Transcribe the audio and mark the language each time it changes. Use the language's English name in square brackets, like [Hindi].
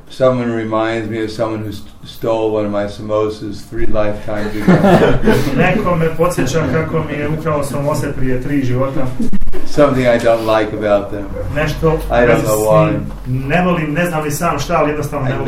[English] Someone reminds me of someone who stole one of my samosas three lifetimes ago. [Bosnian] Neko me podsjeća kako mi je ukrao samose prije tri života. [English] Something I don't like about them. [Bosnian] Nešto [English] I don't know why. [Bosnian] Ne volim, ne znam ni sam šta, ali jednostavno ne volim.